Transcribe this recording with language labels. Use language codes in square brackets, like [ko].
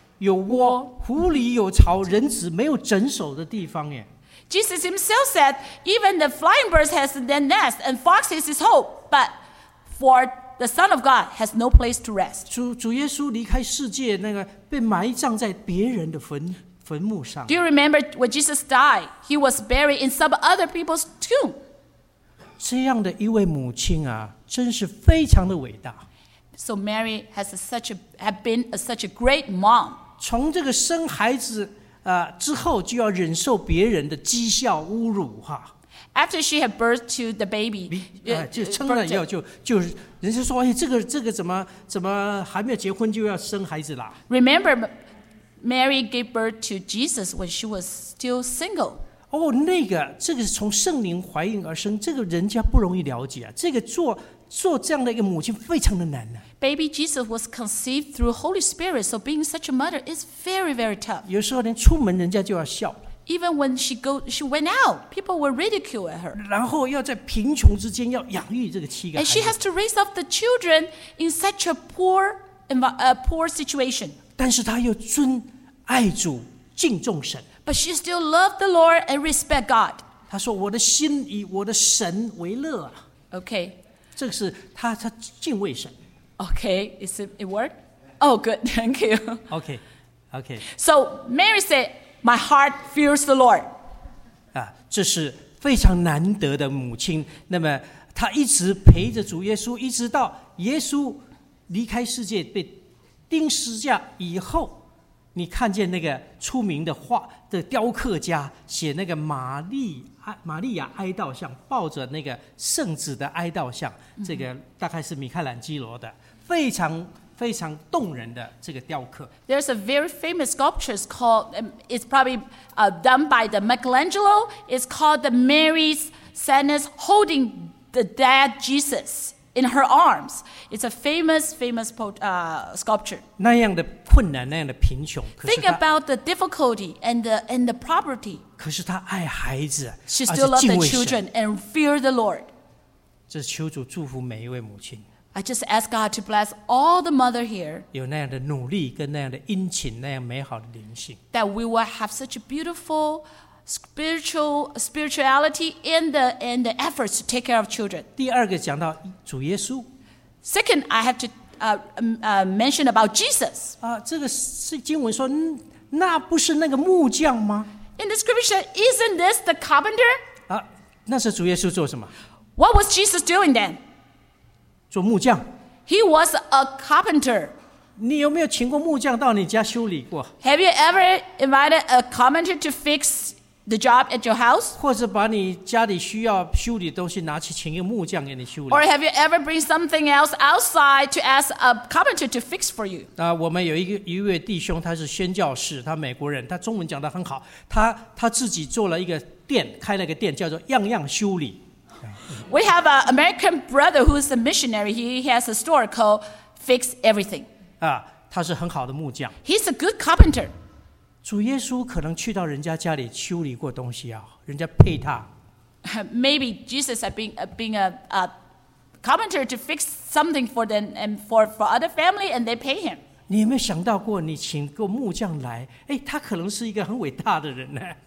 [zh] 有窝，狐狸有巢，人子没有枕首的地方耶。 [en] Jesus himself said, even the flying birds has their nest and foxes his home, but for the Son of God has no place to rest. [zh] 主耶稣离开世界那个被埋葬在别人的坟墓上。 [en] Do you remember when Jesus died? He was buried in some other people's tomb. [zh] 这样的一位母亲啊，真是非常的伟大。 [en] So Mary has been such a great mom. [zh] 从这个生孩子之后就要忍受别人的讥笑侮辱哈。 [en] After she had birth to the baby, [zh] 就撑了以后就人家说，哎，这个怎么还没有结婚就要生孩子啦 [en] ？Remember, Mary gave birth to Jesus when she was still single. [zh] 这个是从圣灵怀孕而生，这个人家不容易了解啊。这个做这样的一个母亲非常的难啊。 [en] Baby Jesus was conceived through Holy Spirit, so being such a mother is very, very tough. [zh] 有时候连出门人家就要笑。 [en] Even when she went out, people were ridicule at her. [zh] 然后要在贫穷之间要养育这个七个孩子。 [en] And she has to raise up the children in such a poor situation. [zh] 但是她又尊爱主敬重神。 [en] But she still loved the Lord and respect God. [zh] 她说我的心以我的神为乐啊。 [en] Okay. [zh] 这是她敬畏神。 [en] Okay, is it work? Oh, good. Thank you. Okay. So Mary said. My heart fears the Lord. [zh] 这是非常难得的母亲。那么他一直陪着主耶稣，一直到耶稣离开世界被钉十字架以后，你看见那个出名的画的雕刻家写那个玛利亚哀悼像，抱着那个圣子的哀悼像，这个大概是米开朗基罗的，非常非常动人的这个雕刻。 [en] There's a very famous sculpture called, it's probably done by the Michelangelo. It's called the Mary's Sadness holding the dead Jesus in her arms. It's a famous sculpture. [zh] 那样的困难，那样的贫穷。 [en] Think about the difficulty and the poverty. [zh] 可是她爱孩子，而且敬畏神。 [en] She still loved the children and feared the Lord. [zh] 这是求主祝福每一位母亲。 [en] I just ask God to bless all the mother here. [zh] 有那样的努力跟那样的殷勤，那样美好的灵性。 [en] That we will have such a beautiful spirituality and the efforts to take care of children. [zh] 第二个讲到主耶稣。 [en] Second, I have to mention about Jesus. [zh] 这个是经文说，那不是那个木匠吗？ [en] In the scripture, isn't this the carpenter? [zh] 那是主耶稣做什么？ [en] What was Jesus doing then? [zh] 做木匠。 [en] He was a carpenter. [zh] 你有没有请过木匠到你家修理过？ [en] Have you ever invited a carpenter to fix the job at your house? [zh] 或者把你家里需要修理的东西拿去请一个木匠给你修理？ [en] Or have you ever bring something else outside to ask a carpenter to fix for you? [zh] 我们有一位弟兄，他是宣教士，他美国人，他中文讲得很好。他自己做了一个店，开了一个店，叫做样样修理。 [en] We have an American brother who is a missionary. He has a store called Fix Everything. [zh] 他是很好的木匠。 [en] He's a good carpenter. [zh] 主耶稣可能去到人家家里修理过东西啊，人家配他。 [en] Maybe Jesus has been a carpenter to fix something for them and for other family and they pay him. [zh] 你有没有想到过你请个木匠来，他可能是一个很伟大的人呢？